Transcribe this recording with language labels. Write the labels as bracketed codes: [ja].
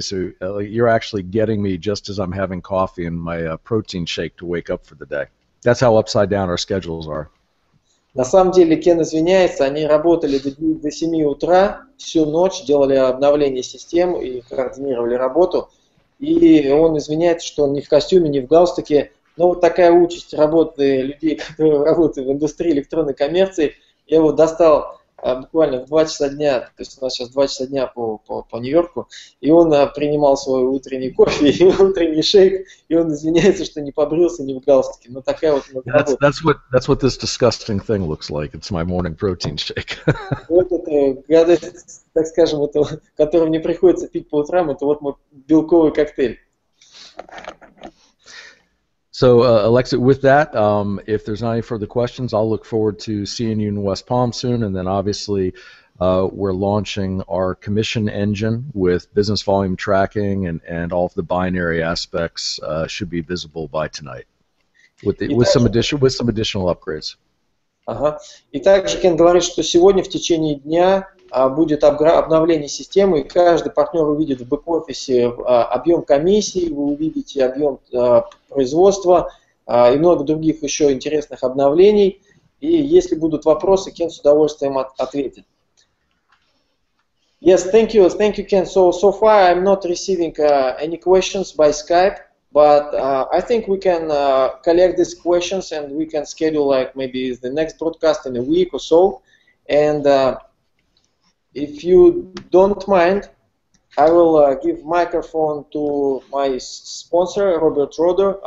[en] So you're actually getting me just as I'm having coffee and my protein shake to wake up for the day. That's how upside down our schedules are. [ru] На самом деле, Кен извиняется. Они работали до 7 утра всю ночь, делали обновление систем и координировали работу. И он извиняется, что он не в костюме, не в галстуке. Но вот такая участь работы людей, которые работают в индустрии электронной коммерции, я его достал. Буквально в 2 часа дня, то есть у нас сейчас 2 часа дня по Нью-Йорку, и он принимал свой утренний кофе и утренний шейк, и он извиняется, что не побрился, не в галстуке. Но такая вот... [en] That's what this disgusting thing looks like. It's my morning protein shake. [ru] Вот это гадость, так скажем, это, которую мне приходится пить по утрам, это вот мой белковый коктейль. [en] So, Alexei, with that, if there's not any further questions, I'll look forward to seeing you in West Palm soon, and then obviously we're launching our commission engine with business volume tracking, and all of the binary aspects should be visible by tonight with some additional upgrades. [ru] И также Кен говорит, что сегодня в течение дня будет обновление системы, и каждый партнер увидит в бэк-офисе объем комиссий, вы увидите объем производства и много других еще интересных обновлений. И если будут вопросы, Кен с удовольствием ответит. [en] Yes, thank you. Thank you, Ken. So far I'm not receiving any questions by Skype, but I think we can collect these questions and we can schedule like maybe the next broadcast in a week or so. And if you don't mind, I will give microphone to my sponsor, Robert Roder.